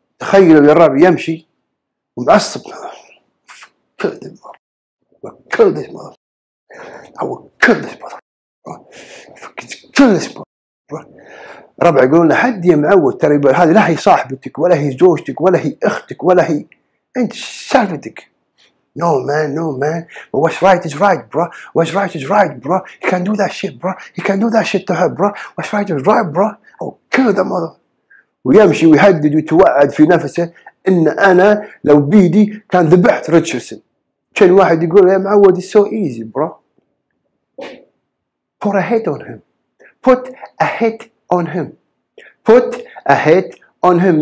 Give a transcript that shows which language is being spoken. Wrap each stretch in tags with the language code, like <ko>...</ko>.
<ar>تخيل الرب يمشي ومعصب، كل ذي مرة، كل ذي مرة، أو كل ذي مرة، كل ذي مرة. ربع يقولون حد يمعود، ترى هذه لا هي صاحبتك ولا هي زوجتك ولا هي أختك ولا هي أنت سالفتك.</ar> <en>No man, no man. But what's right is right, bro. What's right is right, bro. He can do that shit, bro. He can do that shit to her, bro. What's right is right, bro. I will kill the mother.</en> <ar>ويمشي ويهدد ويتوعد في نفسه إن أنا لو بيدي كان ذبحت ريتشاردسون. كان واحد يقول يا معود</ar> <en>it's so easy, bro. Put a hit on him. Put a hit on him. Put a hit on him.</en>